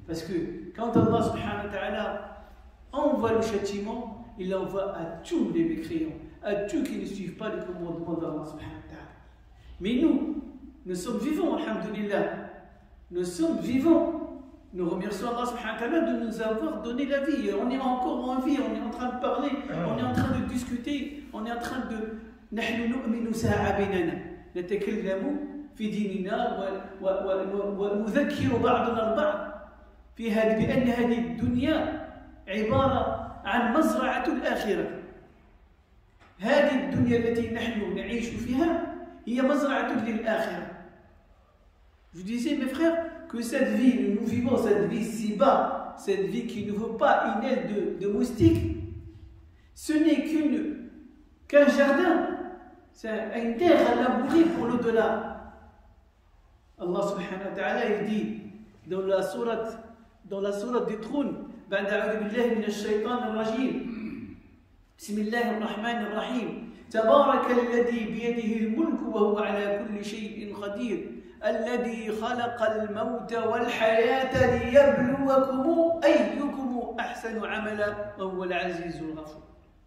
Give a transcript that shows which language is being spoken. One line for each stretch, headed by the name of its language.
French: Parce que quand Allah subhanahu wa ta'ala envoie le châtiment, il l'envoie à tous les mécréants, à tous qui ne suivent pas le commandement d'Allah subhanahu wa ta'ala. Mais nous sommes vivants, alhamdoulilah. Nous sommes vivants. Nous remercions Allah subhanahu wa ta'ala de nous avoir donné la vie. Et on est encore en vie, on est en train de parler, on est en train de discuter, on est en train de...
Arabic: نحن نؤمن ساعة بيننا نتكلم في ديننا ونذكر بعضنا البعض في هذه بأن هذه الدنيا عبارة عن مزرعة الآخرة. هذه الدنيا التي نحن نعيش فيها هي مزرعة للآخرة.
French: Je disais mes frères que cette vie, nous vivons cette vie si bas, cette vie qui ne vaut pas une aile de moustique, ce n'est qu'un jardin. C'est une terre à labourer pour l'au-delà. Allah subhanahu wa ta'ala il dit dans la sourate du trône,
Arabic: بعد أعوذ بالله من الشيطان الرجيم بسم الله الرحمن الرحيم تبارك الذي بيده الملك وهو على كل شيء قدير الذي خلق الموت والحياة ليبلوكم أيكم أحسن عملا وهو العزيز الغفور.